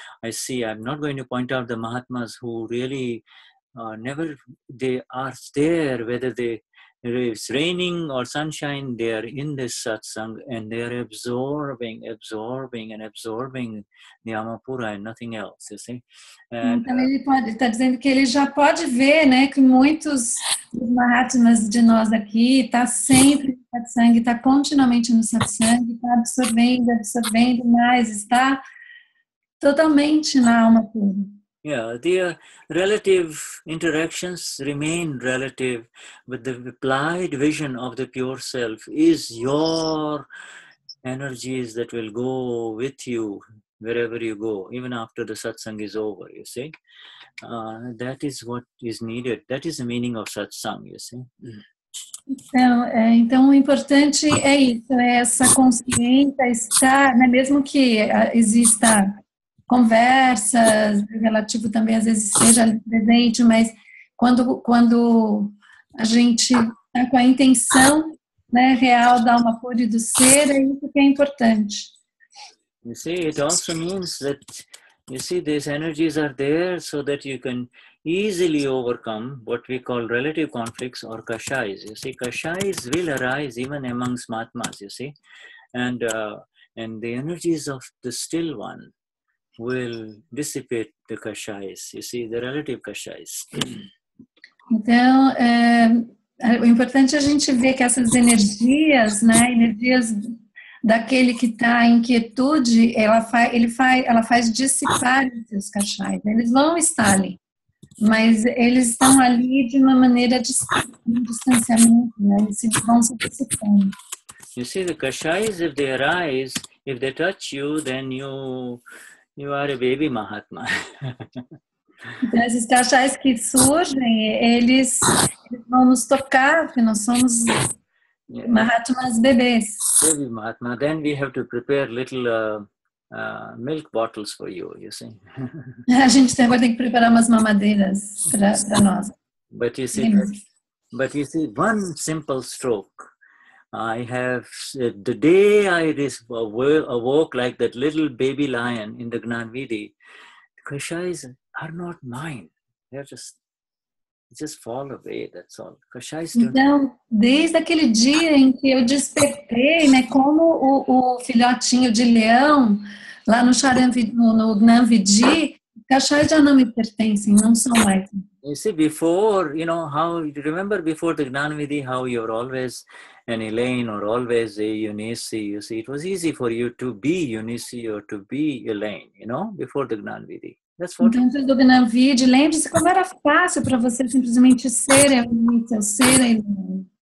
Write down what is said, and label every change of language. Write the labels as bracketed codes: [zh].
[en] I see, I'm not going to point out the Mahatmas who really they are there, whether it's raining or sunshine, they are in this satsang, and they are absorbing the Amapura and nothing else, you see. [pt] Então ele está dizendo que ele já pode ver, né, que muitos Mahatmas de nós aqui está sempre no satsang, está continuamente no satsang, está absorvendo mais, está totalmente na Amapura. [en] Yeah, the relative interactions remain relative, but the applied vision of the pure self is your energies that will go with you wherever you go, even after the satsang is over, you see. That is what is needed. That is the meaning of satsang, you see. [pt] Então, o importante é isso, é essa consciência estar, né, mesmo que exista conversas, relativo também às vezes seja presente, mas quando a gente está com a intenção né, real da alma pura e do ser, é isso que é importante. [en] You see, it also means that, you see, these energies are there so that you can easily overcome what we call relative conflicts or kashais. You see, kashais will arise even amongst mahatmas, you see. And the energies of the still one will dissipate the kashais, you see, the relative kashais. [pt] Então, o importante é a gente ver que essas energias, né, energias daquele que está em quietude, ela faz dissipar esses kashais. Eles vão estar ali, mas eles estão ali de uma maneira de um distanciamento, né, eles vão se dissipando. [en] You see, the kashais, if they arise, if they touch you, then you are a baby mahatma. [pt] Então, esses kashais que surgem, eles vão nos tocar, porque nós somos mahatmas bebês. [en] Baby mahatma, then we have to prepare little milk bottles for you, you see. [pt] A gente tem agora que preparar umas mamadeiras para nós. [en] But you see, one simple stroke. I have, the day I awoke like that little baby lion in the Gnan Vidhi, kashais are not mine. They're just fall away, that's all. Kashais don't... [pt] Então, desde aquele dia em que eu despertei, né, como o filhotinho de leão, lá no Gnan Vidhi, kashais já não me pertencem, não são mais. [en] You see, before, you know, how, remember before the Gnan Vidhi, how you're always... an Elaine or always a Eunice, you see, it was easy for you to be Eunice or to be Elaine, you know, before the Gnan Vidhi. That's what. [pt] Dentro do Gnan Vidhi, lembre-se como era fácil para você simplesmente ser Eunice, ser Elaine.